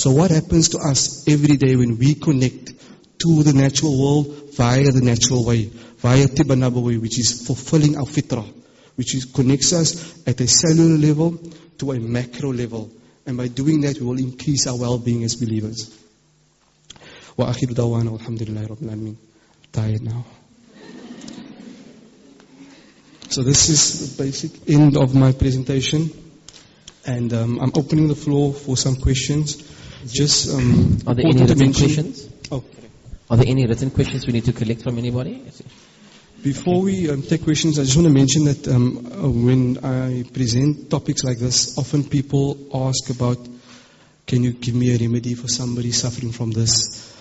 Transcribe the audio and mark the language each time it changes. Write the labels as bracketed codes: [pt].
[en] So what happens to us every day when we connect to the natural world via the natural way, via tibba nabawi, which is fulfilling our fitrah, which is connects us at a cellular level to a macro level. And by doing that, we will increase our well-being as believers. [ar] وآخر دعوانا الحمد لله رب العالمين. [en] Tired now. So this is the basic end of my presentation, and I'm opening the floor for some questions. Just are there any written questions? Oh, are there any written questions we need to collect from anybody? Before we take questions, I just want to mention that when I present topics like this, often people ask about, can you give me a remedy for somebody suffering from this?